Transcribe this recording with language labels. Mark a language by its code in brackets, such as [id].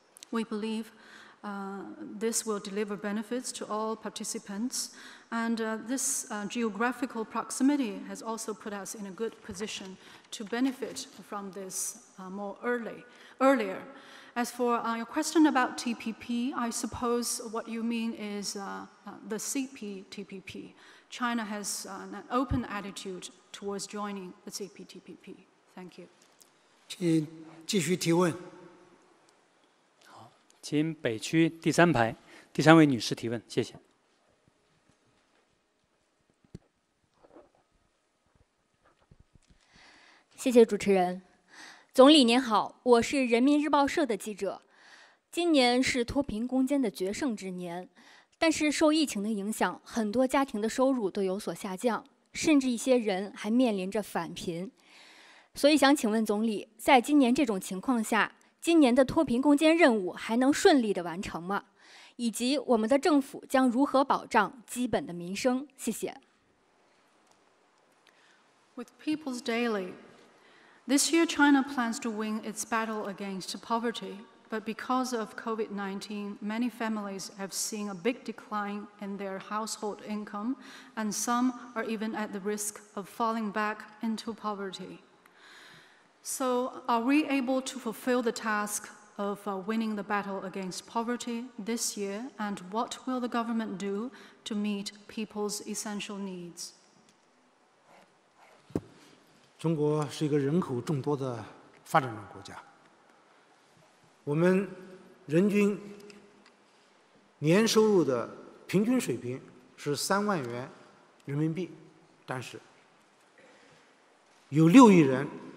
[en] We believe this will deliver benefits to all participants, and this geographical proximity has also put us in a good position to benefit from this earlier. As for your question about TPP, I suppose what you mean is the CPTPP. China has an open attitude towards joining the CPTPP. Thank you. [zh] 请继续提问。请北区第三排第三位女士提问，谢谢。谢谢主持人。总理您好，我是人民日报社的记者。今年是脱贫攻坚的决胜之年，但是受疫情的影响，很多家庭的收入都有所下降，甚至一些人还面临着返贫。所以想请问总理，在今年这种情况下，今年的脱贫攻坚任务还能顺利地完成吗？以及我们的政府将如何保障基本的民生？谢谢。 [en] With People's Daily, this year China plans to win its battle against poverty, but because of COVID-19, many families have seen a big decline in their household income, and some are even at the risk of falling back into poverty. So, are we able to fulfill the task of winning the battle against poverty this year? And what will the government do to meet people's essential needs? [zh] 中国是一个人口众多的发展中国家。我们人均年收入的平均水平是30,000元人民币，但是有6亿人。